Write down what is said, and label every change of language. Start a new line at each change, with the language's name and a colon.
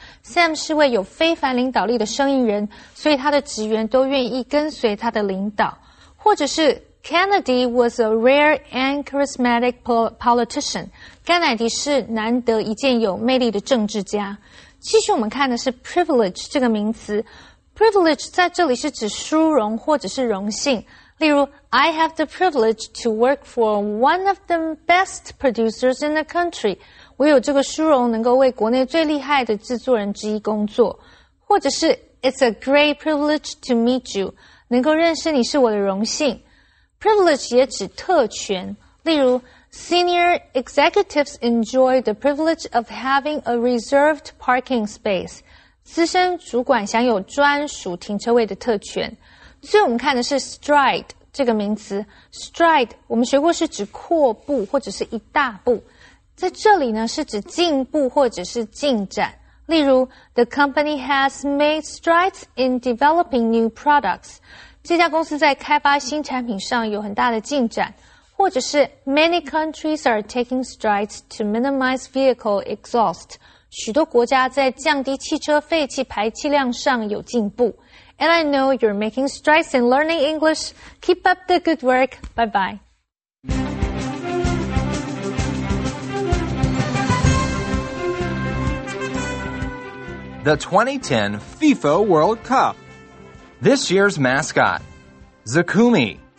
Chinese: Sam 是位有非凡领导力的生意人，所以他的职员都愿意跟随他的领导。或者是
English: Kennedy was a rare and charismatic politician.
Chinese: 甘乃迪是难得一见有魅力的政治家。继续我们看的是 privilege 这个名词。privilege 在这里是指殊荣或者是荣幸。例如
English: ,I have the privilege to work for one of the best producers in the country.
Chinese: 我有这个殊荣能够为国内最厉害的制作人之一工作。或者是
English: ,It's a great privilege to meet you.
Chinese: 能够认识你是我的荣幸。 privilege 也指特权。例如
English: Senior executives enjoy the privilege of having a reserved parking space.
Chinese: 资深主管享有专属停车位的特权。最后我们看的是 stride 这个名词。stride 我们学过是指阔步或者是一大步。在这里呢是指进步或者是进展。例如
English: ,the company has made strides in developing new products.
Chinese: 这家公司在开发新产品上有很大的进展。或者是
English: many countries are taking strides to minimize vehicle exhaust.
Chinese: 许多国家在降低汽车废气排气量上有进步。
English: And I know you're making strides in learning English. Keep up the good work. Bye-bye. The 2010 FIFA World Cup. This year's mascot, Zakumi.